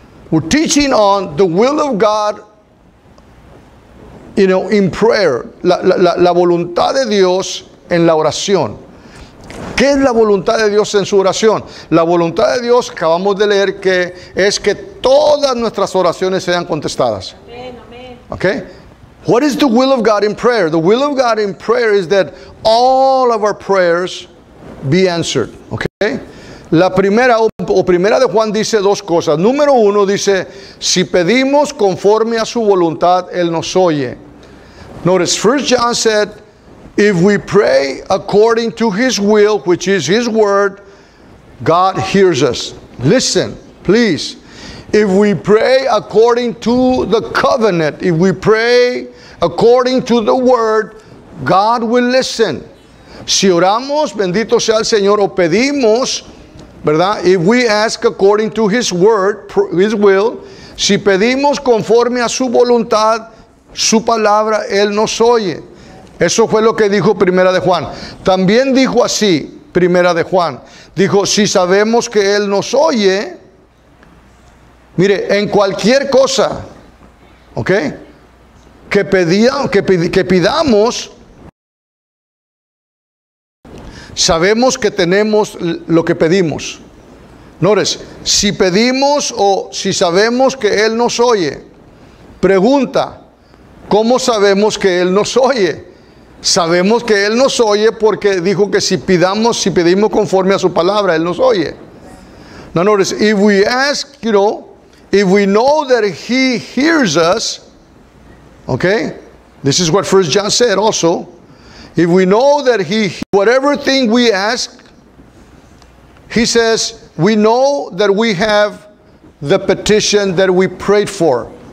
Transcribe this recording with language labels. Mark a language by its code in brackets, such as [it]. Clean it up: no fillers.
[en] We're teaching on the will of God, you know, in prayer, [es] la voluntad de Dios en la oración. ¿Qué es la voluntad de Dios en su oración? La voluntad de Dios, acabamos de leer, que es que todas nuestras oraciones sean contestadas. Amén, amén. Okay? [en] What is the will of God in prayer? The will of God in prayer is that all of our prayers be answered. Okay? [es] La primera o primera de Juan dice dos cosas. Número uno dice, si pedimos conforme a su voluntad, él nos oye. [en] Notice, First John said, if we pray according to his will, which is his word, God hears us. Listen, please. If we pray according to the covenant, if we pray according to the word, God will listen. [es] Si oramos, bendito sea el Señor, o pedimos, ¿verdad? [en] If we ask according to his word, his will, [es] si pedimos conforme a su voluntad, su palabra, él nos oye. Eso fue lo que dijo Primera de Juan. También dijo así, Primera de Juan. Dijo, si sabemos que él nos oye, mire, en cualquier cosa, ¿ok? Que pidamos, sabemos que tenemos lo que pedimos. Notice, si pedimos o si sabemos que él nos oye, pregunta, ¿cómo sabemos que él nos oye? Sabemos que él nos oye porque dijo que si pedimos conforme a su palabra, él nos oye. [en] Now notice, if we ask, you know, if we know that he hears us, okay, this is what First John said also, if we know that he, whatever thing we ask, he says, we know that we have the petition that we prayed for.